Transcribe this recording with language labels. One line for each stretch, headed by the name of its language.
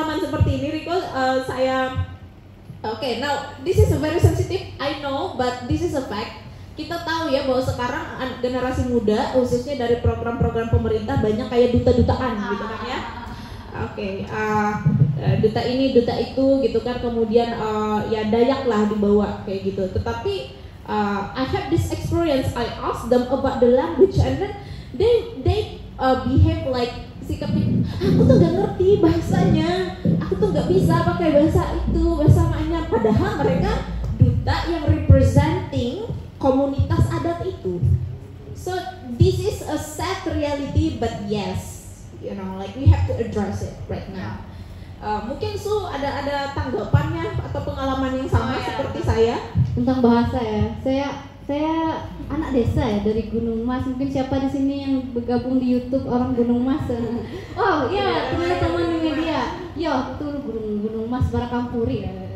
Indonesian: seperti ini,
English: Rico, saya okay, now this is a very sensitive, I know, but this is a fact.
Indonesian: Kita tahu ya bahwa sekarang generasi muda khususnya dari program-program pemerintah banyak kayak duta-dutaan gitu kan ya. Oke, duta ini, duta itu gitu kan, kemudian ya Dayak lah dibawa kayak gitu. Tetapi
English: I have this experience, I ask them about the language and then they behave like
Indonesian: sikapnya, aku tuh gak ngerti bahasanya, aku tuh gak bisa pakai bahasa itu, bahasa mainnya. Padahal mereka duta yang representing komunitas adat itu.
English: So this is a sad reality, but yes, you know, like we have to address it right now.
Indonesian: Mungkin Su ada tanggapannya atau pengalaman yang sama seperti saya tentang bahasa ya. Saya anak desa ya, dari Gunung Mas. Mungkin siapa di sini yang bergabung di YouTube orang Gunung Mas? Oh iya, teman-teman di media. Yo, itu Gunung Mas Barakampuri ya.